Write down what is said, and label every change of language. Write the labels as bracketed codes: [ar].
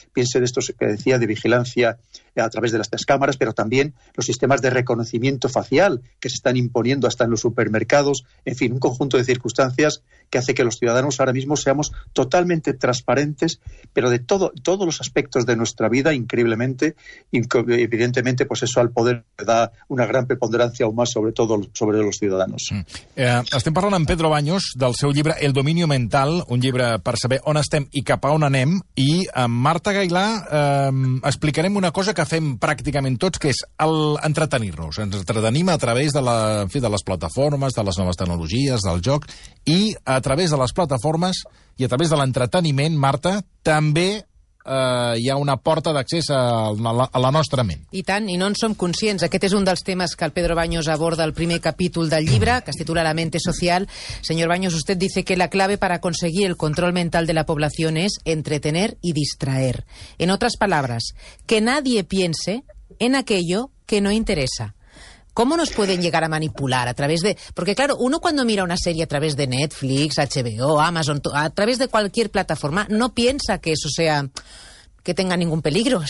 [es] Piense en esto que decía, de vigilancia a través de las cámaras, pero también los sistemas de reconocimiento facial que se están imponiendo hasta en los supermercados. En fin, un conjunto de circunstancias que hace que los ciudadanos ahora mismo seamos totalmente transparentes, pero de todos los aspectos de nuestra vida, increíblemente, evidentemente, pues eso al poder da una gran preponderancia aún más sobre todo sobre los ciudadanos. [ca] Estem parlant amb Pedro Baños del seu llibre El dominio mental, un llibre per saber on estem i cap a on anem, i amb Marta Gailà explicarem una cosa que fem pràcticament tots, que és entretenir-nos. Ens entretenim a través de les plataformes, de les noves tecnologies, del joc, i a través de les plataformes i a través de l'entreteniment, Marta, també hi ha una porta d'accés a la nostra ment. I tant, i no en som conscients. Aquest és un dels temes que el Pedro Baños aborda al primer capítol del llibre, que es titula La mente social. [es] Señor Baños, usted dice que la clave para conseguir el control mental de la población es entretener y distraer. En otras palabras, que nadie piense en aquello que no interesa. ¿Cómo nos pueden llegar a manipular a través de...? Porque claro, uno cuando mira una serie a través de Netflix, HBO, Amazon, a través de cualquier plataforma, no piensa que eso sea, que tenga ningún peligro.